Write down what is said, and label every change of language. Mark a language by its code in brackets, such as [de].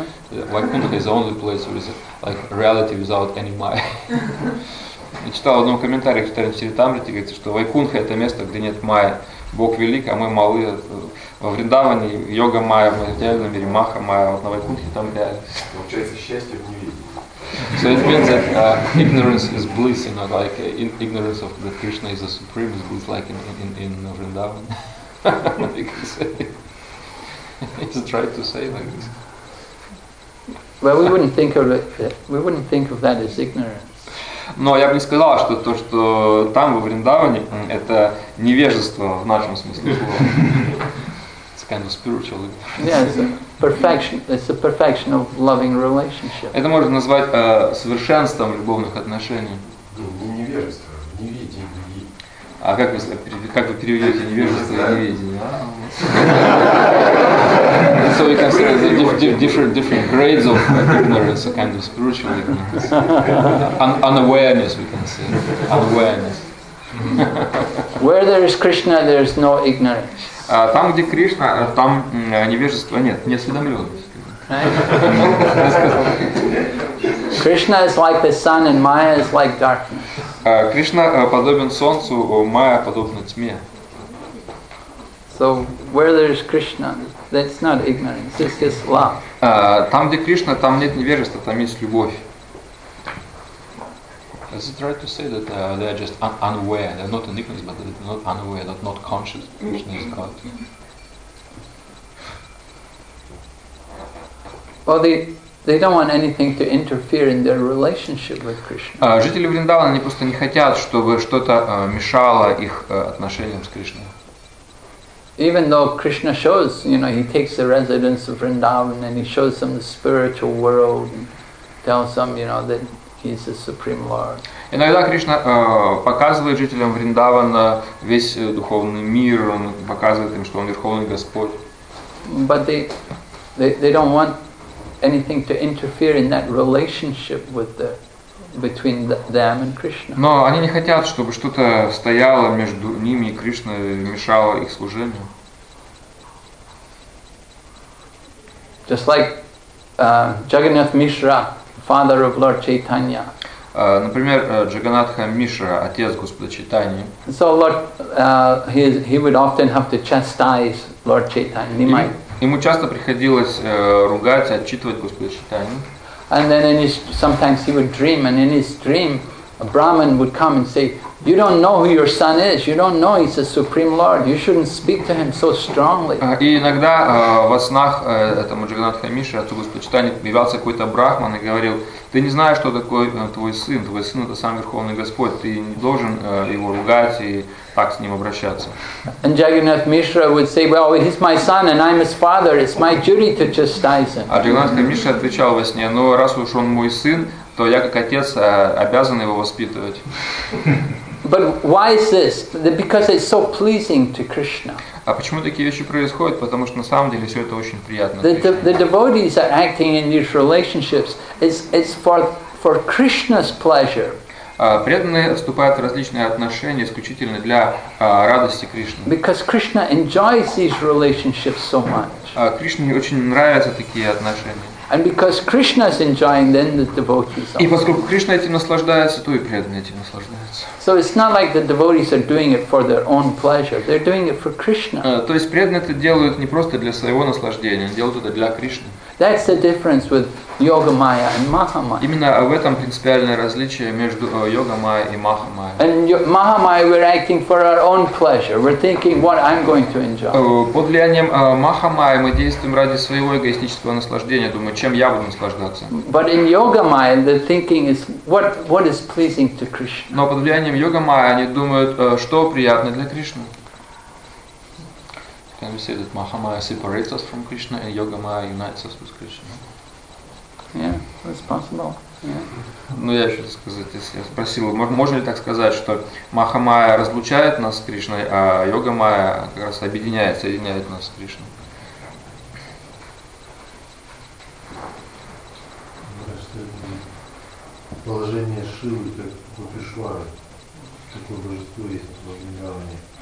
[en] Yeah. Vaikuntha is the only place where there is like reality without any Maya. [ru] Я читал в одном комментарии, что Чайтанья Чаритамрита говорит, что Вайкунха это место, где нет Майя. Бог велик, а мы малы. Во Вриндаване йога Майя, мы в идеальном мире Маха Майя, вот на Вайкунхе там реальность. Получается счастье в невидении. [en] So it means that ignorance is bliss, you know, like ignorance of that Krishna is the supreme is bliss, like in Вриндаване. He's trying to say like this. Well, we wouldn't think of that as ignorance. [ru] Но я бы не сказал, что то, что там, во Вриндаване, это невежество в нашем смысле слова. [en] It's kind of spiritual. Yeah, it's a perfection of loving relationship. [ru] Это можно назвать совершенством любовных отношений. Не невежество, неведение. А как вы переведете невежество и неведение? [en] So we can say different grades of ignorance, a kind of spiritual ignorance. Unawareness, we can say. Unawareness. Where there is Krishna, there is no ignorance. [ru] Там, где Кришна, там невежества нет, неосведомленность. [en] Krishna is like the sun and Maya is like darkness. [ru] Кришна подобен солнцу, Майя подобна тьме. [en] So where there is Krishna, that's not ignorance, it's just love. [ru] Там, где Кришна, там нет невежества, там есть любовь. [en] Is it right to say that they are just unaware? They're not ignorant, but they're not unaware, not conscious. Krishna is God. Well, they don't want anything to interfere in their relationship with Krishna. [ru] Жители Вриндавана, они просто не хотят, чтобы что-то мешало их отношениям с Кришной. [en] Even though Krishna shows, you know, he takes the residence of Vrindavan and he shows them the spiritual world and tells them, you know, that He's the Supreme Lord. [ru] Иногда Кришна показывает жителям Вриндавана весь духовный мир, он показывает им, что он Верховный Господь. [en] But they don't want anything to interfere in that relationship with the between them and Krishna. [ru] Но они не хотят, чтобы что-то стояло между ними и Кришной, мешало их служению. [en] Just like Jagannath Mishra, father of Lord Chaitanya. [ru] Например, Джаганатха Мишра, отец Господа Чайтаньи. [en] So Lord, he would often have to chastise Lord Chaitanya. He might. [ru] Ему часто приходилось ругать, отчитывать Господа Чайтаньи. [en] And then sometimes he would dream, and in his dream, a Brahmin would come and say, "You don't know who your son is. You don't know he's the Supreme Lord. You shouldn't speak to him so strongly." [ru] И иногда во снах этому Джаганатха Мишре, отцу Господа Чайтаньи, являлся какой-то брахман и говорил: "Ты не знаешь, что такое твой сын. Твой сын это сам Верховный Господь. Ты не должен его ругать и так с ним обращаться." [en] And Jagannath Mishra would say, "Well, he's my son, and I'm his father. It's my duty to chastise him." [ru] А Джаганатха Мишра отвечал во сне: "Но раз уж он мой сын, то я как отец обязан его воспитывать." [en] But why is this? Because it's so pleasing to Krishna. [ru] А почему такие вещи происходят? Потому что на самом деле все это очень приятно. [en] The devotees are acting in these relationships. It's for Krishna's pleasure. [ru] Преданные вступают в различные отношения исключительно для радости Кришны. [en] Because Krishna enjoys these relationships so much. [ru] Кришне очень нравятся такие отношения. [en] And because Krishna is enjoying, then the devotees are. [ru] И поскольку Кришна этим наслаждается, то и преданные этим наслаждаются. [en] So it's not like the devotees are doing it for their own pleasure. They're doing it for Krishna. [ru] То есть преданные это делают не просто для своего наслаждения, они делают это для Кришны. [en] That's the difference with Yoga Maya and Maha Maya. [ru] Именно в этом принципиальное различие между Йога Майя и Маха Майя. [en] And Maha Maya, we're acting for our own pleasure. We're thinking what I'm going to enjoy. [ru] Под влиянием Маха Майя мы действуем ради своего эгоистического наслаждения, думаю, чем я буду наслаждаться. [en] But in Yoga Maya, the thinking is what is pleasing to Krishna. [ru] Но под влиянием Йога Майя они думают, что приятно для Кришны. [en] Can we say that Maha Maya separates us from Krishna and Yoga Maya unites us with Krishna? Yeah, that's possible. Yeah. [ru] Ну я еще сказать, если я спросил, можно ли так сказать, что Маха Майя разлучает нас с Кришной, а Йога Майя как раз объединяет, соединяет нас с Кришной? Мне кажется, это не совсем правильно. Положение Шивы как Купишвары, такое божество есть в Вриндаване.